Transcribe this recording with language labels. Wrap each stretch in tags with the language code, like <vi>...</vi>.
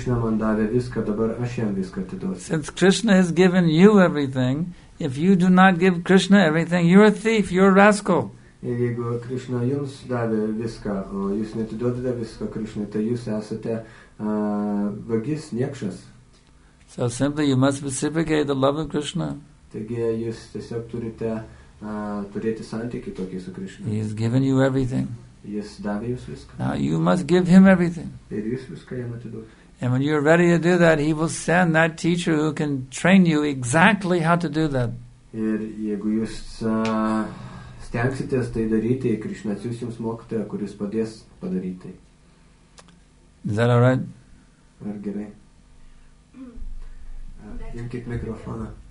<en>Since Krishna has given you everything, if you do not give Krishna everything, you're a thief, you're a rascal.</en> <lt>Jeigu Krishna jums davė viską, o jūs neatiduodate viską Krishna, tai jūs esate vagis, niekšas.</lt> <en>So simply you must reciprocate the love of Krishna.</en> <lt>Taigi jūs tiesiog turite turėti santykį tokį su Krishna.</lt> <en>He has given you everything.</en> <lt>Jis davė jūs viską.</lt> <en>Now you must give him everything.</en> <lt>Ir jūs viską jam atiduot.</lt> <en>And when you are ready to do that, he will send that teacher who can train you exactly how to do that.</en> <lt>Ir jeigu jūs stengsitės tai daryti, Krishna atsiūs jums mokytoją, kuris padės padaryti.</lt> <en>Is that all right?</en> <lt>Ar gerai? Imkit mikrofoną.</lt>